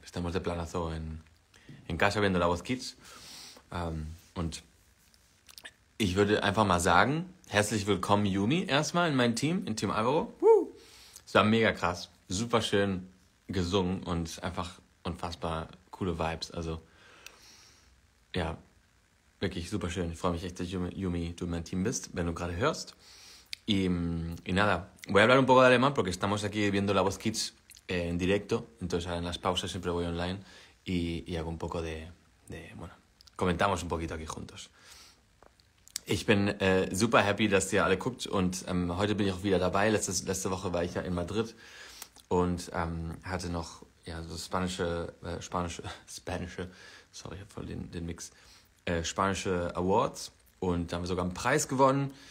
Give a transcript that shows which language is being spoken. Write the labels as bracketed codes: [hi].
[es] Estamos de planazo en casa viendo La Voz Kids. [de] Und ich würde einfach mal sagen, herzlich willkommen, Yumi, erstmal in mein Team, in Team Alvaro. Es war mega krass. Super schön gesungen und einfach unfassbar coole Vibes. Also, ja, wirklich super schön. Ich freue mich echt, dass Yumi, du in mein Team bist, wenn du gerade hörst. [es] Y nada, voy a hablar un poco de alemán, porque estamos aquí viendo La Voz Kids en directo. Entonces, en las pausas siempre voy online y hago un poco bueno, comentamos un poquito aquí juntos. [de] Ich bin super happy, dass ihr alle guckt und heute bin ich auch wieder dabei. Letzte Woche war ich ja in Madrid und hatte noch ja so sorry für den Mix, spanische Awards und da haben wir sogar einen Preis gewonnen.